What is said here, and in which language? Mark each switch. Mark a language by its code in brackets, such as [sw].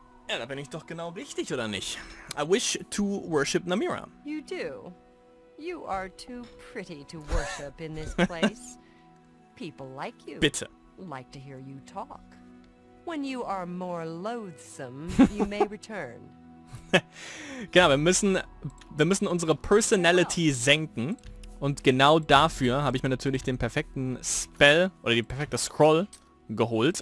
[de] Ja, da bin ich doch genau richtig, oder nicht? [en] I wish to worship Namira. You do. You are too pretty to worship in this place. People like you. [de] Bitte. [en] Like to hear you talk. When you are more loathsome, you may return. [de] Genau, wir müssen unsere Personality senken. Und genau dafür habe ich mir natürlich den perfekten Spell oder die perfekte Scroll geholt.